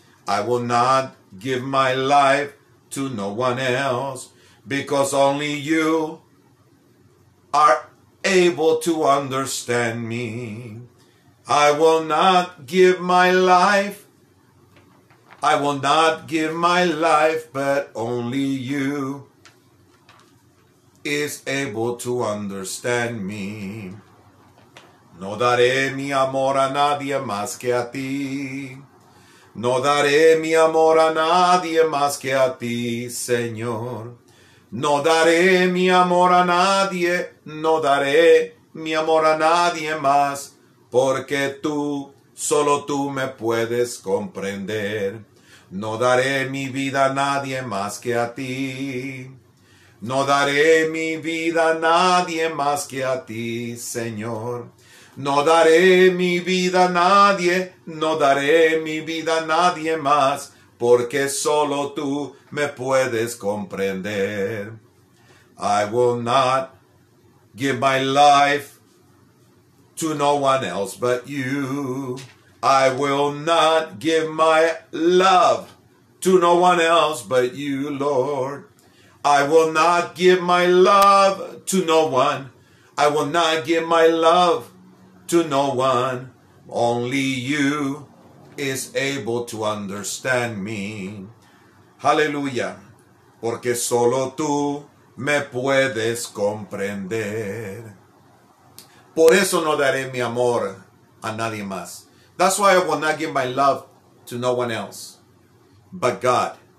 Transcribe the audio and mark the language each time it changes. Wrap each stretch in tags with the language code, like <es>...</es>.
<en>I will not give my life to no one else because only you are able to understand me. I will not give my life. I will not give my life, but only you is able to understand me.</en> <es>No daré mi amor a nadie más que a ti. No daré mi amor a nadie más que a ti, Señor. No daré mi amor a nadie, no daré mi amor a nadie más, porque tú, solo tú me puedes comprender. No daré mi vida a nadie más que a ti. No daré mi vida a nadie más que a ti, Señor. No daré mi vida a nadie, no daré mi vida a nadie más, porque solo tú me puedes comprender.</es> <en>I will not give my life to no one else but you. I will not give my love to no one else but you, Lord. I will not give my love to no one. I will not give my love to no one. Only you is able to understand me. Hallelujah.</en> <es>Porque solo tú me puedes comprender. Por eso no daré mi amor a nadie más.</es> <en>That's why I will not give my love to no one else but God.</en>